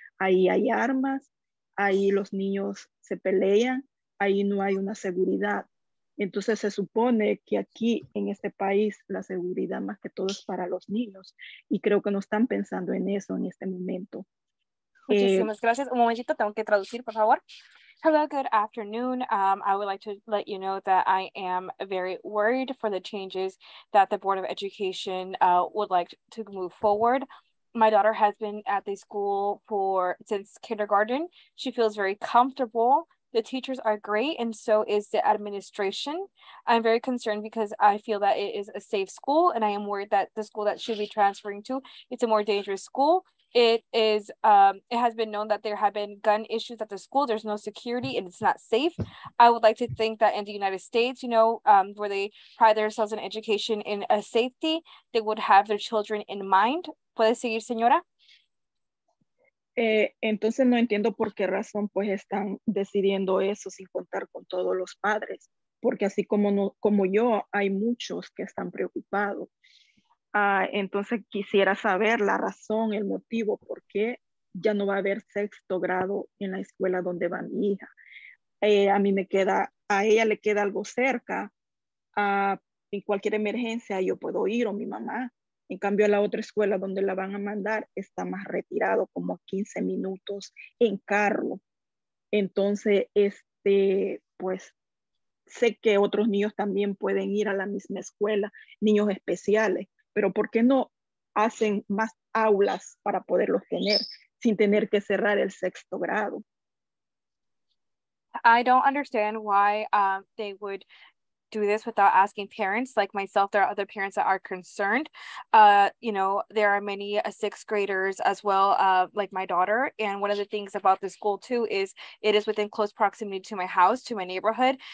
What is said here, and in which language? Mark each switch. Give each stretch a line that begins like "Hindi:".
Spanish: Ahí hay armas, ahí los niños se pelean, ahí no hay una seguridad. Entonces se supone que aquí en este país la seguridad más que todo es para los niños. Y creo que no están pensando en eso en este momento. Muchísimas gracias. Un momentito, tengo que traducir, por favor.
English: Hello, good afternoon. I would like to let you know that I am very worried for the changes that the Board of Education would like to move forward. My daughter has been at the school since kindergarten. She feels very comfortable. The teachers are great, and so is the administration. I'm very concerned because I feel that it is a safe school, and I am worried that the school that she'll be transferring to, it's a more dangerous school. It is. It has been known that there have been gun issues at the school. There's no security and it's not safe. I would like to think that in the United States, you know, where they pride themselves in education in a safety, they would have their children in mind.
Spanish: ¿Puede seguir, señora? Entonces no entiendo por qué razón pues están decidiendo eso sin contar con todos los padres, porque así como no, como yo, hay muchos que están preocupados. Entonces quisiera saber la razón, el motivo, por qué ya no va a haber sexto grado en la escuela donde va mi hija. A mí me queda, a ella le queda algo cerca. En cualquier emergencia yo puedo ir o mi mamá. En cambio, a la otra escuela donde la van a mandar está más retirado, como 15 minutos en carro. Entonces, pues sé que otros niños también pueden ir a la misma escuela, niños especiales. Pero ¿por qué no hacen más aulas para poderlos tener sin tener que cerrar el sexto grado?
English: I don't understand why they would do this without asking parents. Like myself, there are other parents that are concerned. You know, there are many sixth graders as well, like my daughter. And one of the things about the school too is it is within close proximity to my house, to my neighborhood.